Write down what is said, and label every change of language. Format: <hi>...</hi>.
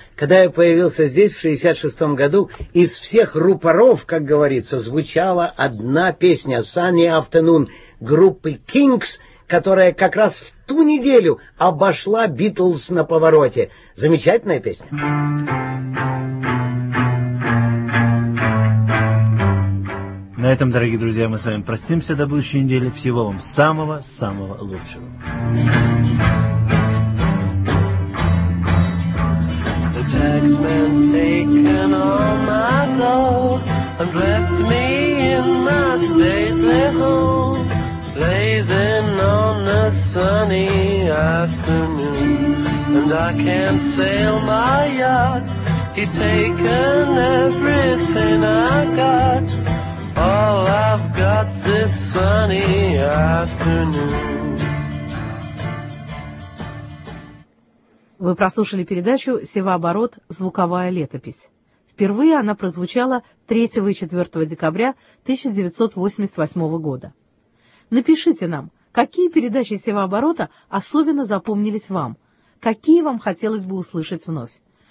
<ru>Когда я появился здесь, в 66-м году, из всех рупоров, как говорится, звучала одна песня «Sunny Afternoon» группы «Kings», которая как раз в ту неделю обошла «Битлз» на повороте. Замечательная песня. На этом, дорогие друзья, мы с вами простимся до будущей недели. Всего вам самого-самого лучшего.</ru> <en>The taxman's taken all my dough and left me in my stately home, blazing on a sunny afternoon. And I can't sail my yacht, he's taken everything I got. All I've got's this sunny afternoon.</en> <ru>Вы прослушали передачу «Севооборот. Звуковая летопись». Впервые она прозвучала 3 и 4 декабря 1988 года. Напишите нам, какие передачи «Севооборота» особенно запомнились вам, какие вам хотелось бы услышать вновь.</ru>